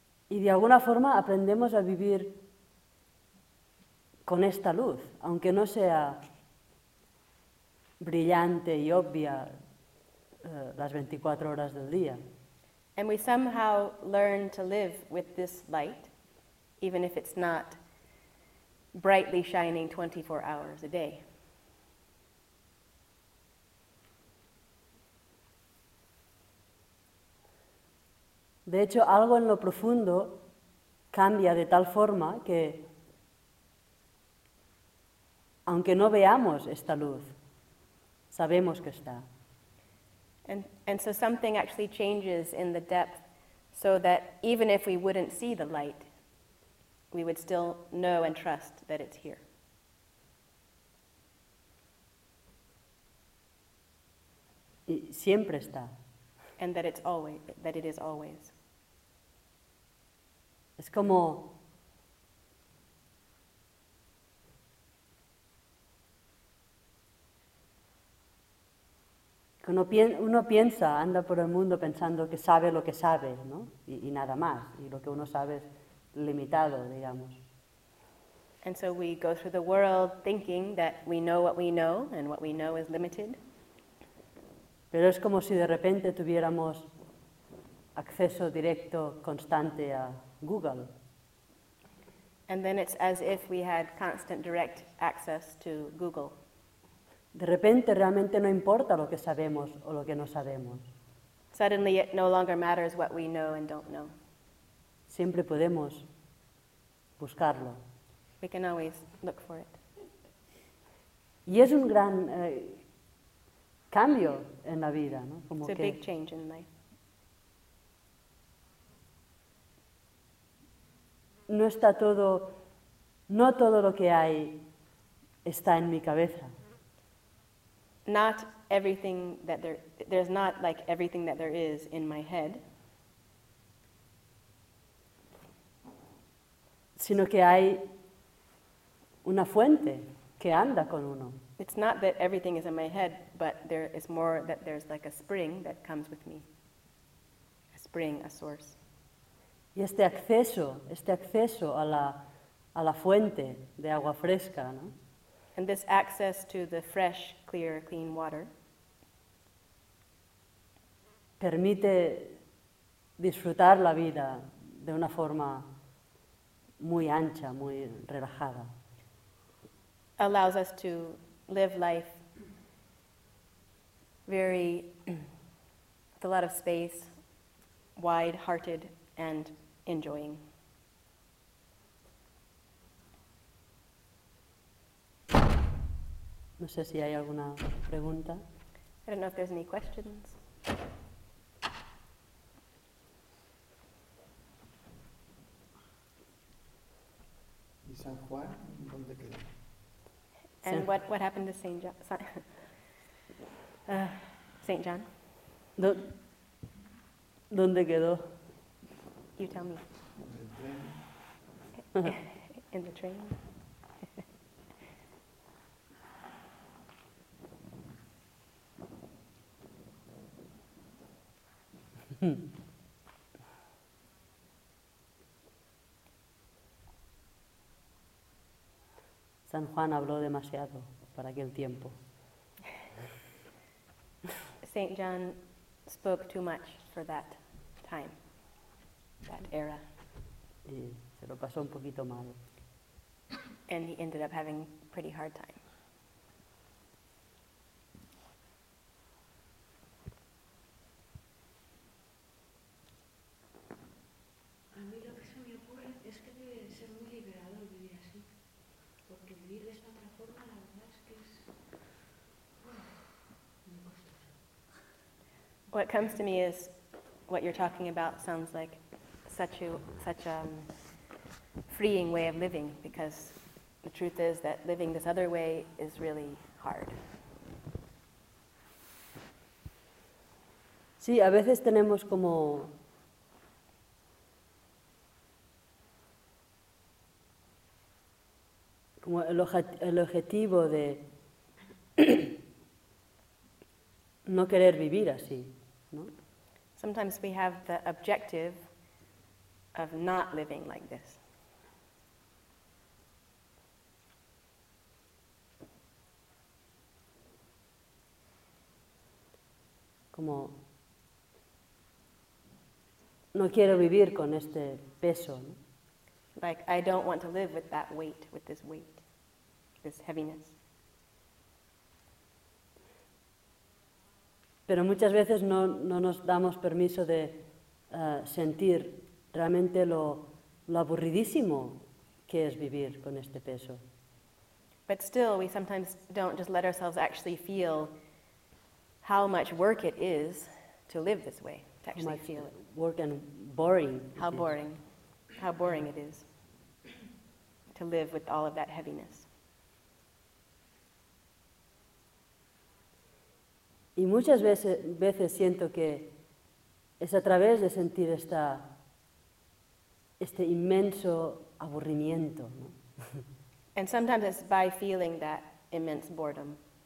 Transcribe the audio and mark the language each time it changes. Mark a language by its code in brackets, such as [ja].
[es] Y de alguna forma aprendemos a vivir con esta luz, aunque no sea brillante y obvia las 24 horas del día. [en] And we somehow learn to live with this light, even if it's not brightly shining 24 hours a day. [es] De hecho, algo en lo profundo cambia de tal forma que, aunque no veamos esta luz, sabemos que está. [en] And so something actually changes in the depth so that even if we wouldn't see the light, we would still know and trust that it's here. [es] Y siempre está. [en] And that it's always, that it is always. [es] Es como uno piensa, anda por el mundo pensando que sabe lo que sabe, ¿no? Y nada más, y lo que uno sabe es limitado, digamos. [en] And so we go through the world thinking that we know what we know, and what we know is limited. [es] Pero es como si de repente tuviéramos acceso directo constante a Google. [en] And then it's as if we had constant direct access to Google. [es] De repente realmente no importa lo que sabemos o lo que no sabemos. [en] Suddenly it no longer matters what we know and don't know. [es] Siempre podemos buscarlo. [en] We can always look for it. [es] Y es un gran cambio en la vida, ¿no? Como [en] it's a que big change in life. [es] No está todo, no todo lo que hay está en mi cabeza. [en] Not everything that there's not like everything that there is in my head. [es] Sino que hay una fuente que anda con uno. [en] It's not that everything is in my head, but there is more that there's like a spring that comes with me. A spring, a source. [es] Y este acceso a la fuente de agua fresca, ¿no? [en] And this access to the fresh, clear, clean water [es] permite disfrutar la vida de una forma muy ancha, muy relajada. [en] Allows us to live life very, with a lot of space, wide-hearted and enjoying. [es] No sé si hay alguna pregunta. [en] I don't know if there's any questions. [es] ¿Y San Juan? ¿Dónde quedó? [en] And what happened to Saint John? Saint John? [es] ¿Dónde quedó? [en] You tell me. In the train. In the train. [es] San Juan habló demasiado para aquel tiempo. [en] Saint John spoke too much for that time, that era. [es] Y se lo pasó un poquito mal. [en] And he ended up having a pretty hard time. What comes to me is what you're talking about sounds like such a freeing way of living, because the truth is that living this other way is really hard. [es] Sí, a veces tenemos como el objetivo de no querer vivir así. No? [en] Sometimes we have the objective of not living like this. [es] Como no quiero vivir con este peso, ¿no? [en] Like I don't want to live with that weight, with this weight, this heaviness. [es] Pero muchas veces no nos damos permiso de sentir realmente lo aburridísimo que es vivir con este peso. [en] But still, we sometimes don't just let ourselves actually feel how much work it is to live this way, to actually how much feel it. Work and boring. How boring. How boring it is to live with all of that heaviness. [es] Y muchas veces siento que es a través de sentir este inmenso aburrimiento, ¿no? [en] And sometimes it's by feeling that immense boredom.